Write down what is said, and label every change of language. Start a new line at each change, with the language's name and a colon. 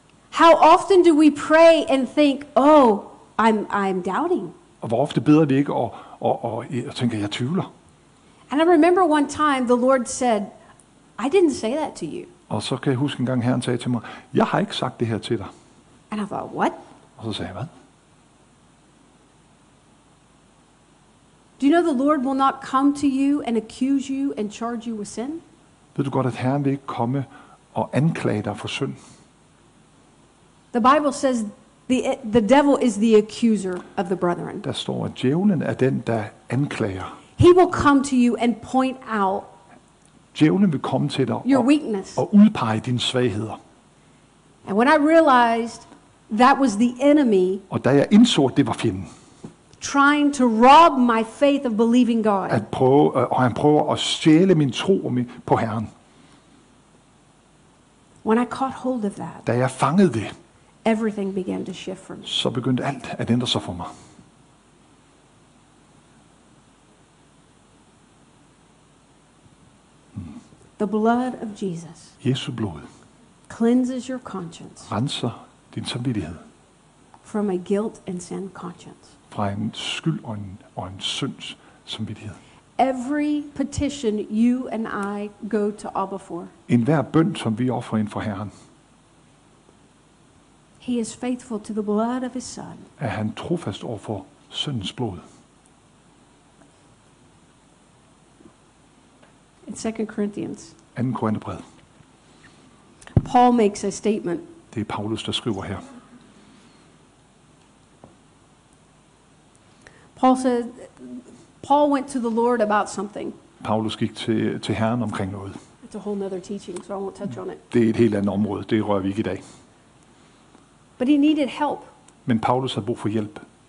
English: How often do we pray and think, oh, I'm doubting?
Danish: Og hvor ofte beder vi ikke og tænker, jeg tvivler?
English: And I remember one time the Lord said, I didn't say that to you.
Danish: Og så kan jeg huske en gang Herren sagde til mig, jeg har ikke sagt det her til dig.
English: And I thought, what?
Danish: Og så sagde jeg, hvad?
English: Do you know the Lord will not come to you and accuse you and charge you with sin?
Danish: Ved du godt, at Herren vil ikke komme og anklage dig for synd?
English: The Bible says the devil is the accuser of the brethren.
Danish: Der står, at djævlen er den, der anklager.
English: He will come to you and point out
Danish: djævlen vil komme til dig
English: your weakness.
Danish: Og udpege dine svagheder.
English: And when I realized that was the enemy,
Danish: og da jeg indså, at det var fjenden,
English: trying to rob my faith of believing God.
Danish: At prøve, og han prøver at stjæle min tro på Herren.
English: When I caught hold of that,
Danish: da jeg fangede det,
English: everything began to shift for me.
Danish: Så begyndte alt at ændre sig for mig.
English: The blood of Jesus.
Danish: Jesu blod.
English: Cleanses your conscience.
Danish: Renser din samvittighed.
English: From a guilt and sin conscience.
Danish: Fra en skyld og en synds samvittighed.
English: Every petition you and I go to Abba for.
Danish: Enhver bøn som vi offerer ind for Herren.
English: He is faithful to the blood of his son.
Danish: Er han trofast over for syndens blod.
English: In 2 Corinthians.
Danish: 2. Korintherbrev.
English: Paul makes a statement.
Danish: Det er Paulus der skriver her.
English: Paul said Paul went to the Lord about something.
Danish: Paulus gik til Herren omkring noget.
English: It's a whole other teaching, so I won't touch on it.
Danish: Det er et helt andet område, det rører vi ikke i dag.
English: But he needed help.
Danish: Men Paulus havde brug for hjælp.